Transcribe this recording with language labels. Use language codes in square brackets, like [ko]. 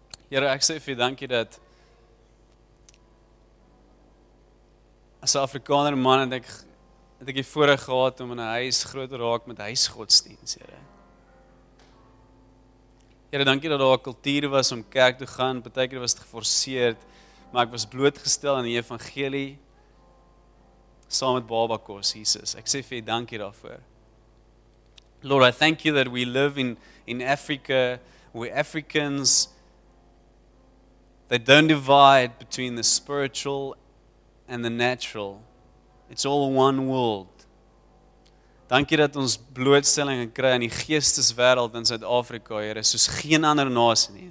[af] Here, ek sê vir jy dankie dat as 'n Afrikaner man het ek die voorreg gehad om in 'n huis groot te raak met huisgodsdienst, Here. Here, dankie dat daar 'n kultuur was om kerk toe gaan, partykeer was dit geforseerd, maar ek was blootgestel aan die evangelie saam met baba kos, Jesus. Ek sê vir jy dankie daarvoor. [en] Lord, I thank you that we live in Africa, where Africans, they don't divide between the spiritual and the natural. It's all one world. [af] Dankie dat ons blootstelling kry aan die geesteswêreld in Suid-Afrika, Here, soos geen ander nasie nie.